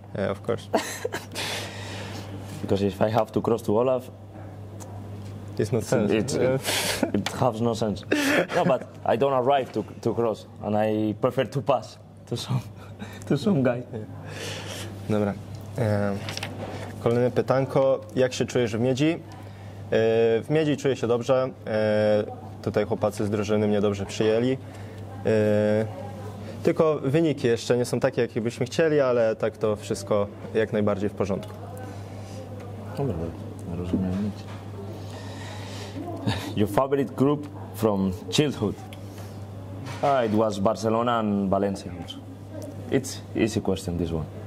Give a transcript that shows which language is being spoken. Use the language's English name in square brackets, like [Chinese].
[English] Yeah, of course. Because if I have to cross to Olaf, it's no sense. It has no sense. No, but I don't arrive to cross, and I prefer to pass to some guy. [Polish] Yeah. Dobra. Kolejne pytanko. Jak się czujesz w Miedzi? W Miedzi czuję się dobrze. Tutaj chłopacy z drużyny mnie dobrze przyjęli. Tylko wyniki jeszcze nie są takie, jakie byśmy chcieli, ale tak to wszystko jak najbardziej w porządku. Dobra, rozumiem. [English] Your favorite group from childhood? It was Barcelona and Valencia. It's easy question, this one.